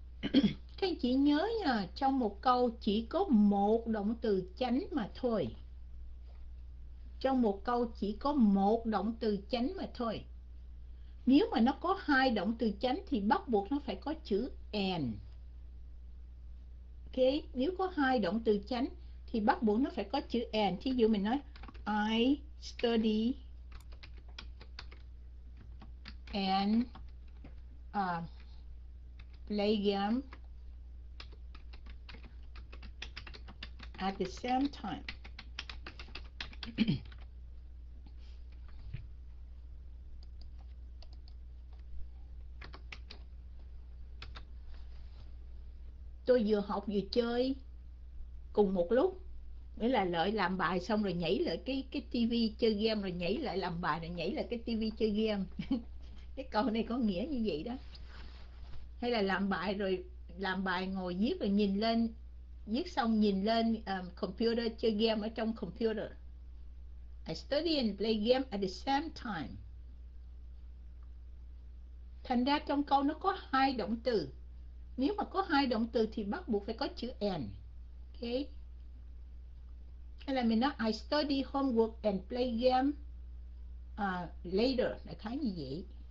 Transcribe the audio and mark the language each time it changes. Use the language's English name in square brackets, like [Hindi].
[Vietnamese] Các anh chị nhớ nha, trong một câu chỉ có một động từ chánh mà thôi. trong một câu chỉ có một động từ chánh mà thôi. Nếu mà nó có hai động từ chánh thì bắt buộc nó phải có chữ and. Ok, nếu có hai động từ chánh thì bắt buộc nó phải có chữ and. Thí dụ mình nói [English] I study and play game at the same time. [Vietnamese] Tôi vừa học vừa chơi cùng một lúc, nghĩa là lợi làm bài xong rồi nhảy lại cái tivi chơi game, rồi nhảy lại làm bài, rồi nhảy lại cái tivi chơi game. Cái câu này có nghĩa như vậy đó. Hay là làm bài rồi làm bài ngồi viết rồi nhìn lên, viết xong nhìn lên computer chơi game ở trong computer. [English] I study and play game at the same time. [Vietnamese] Thành ra trong câu nó có hai động từ. Nếu mà có hai động từ thì bắt buộc phải có chữ and. Ok. Hay là mình nói [English] I study homework and play game later. [Vietnamese] Đại khái như vậy.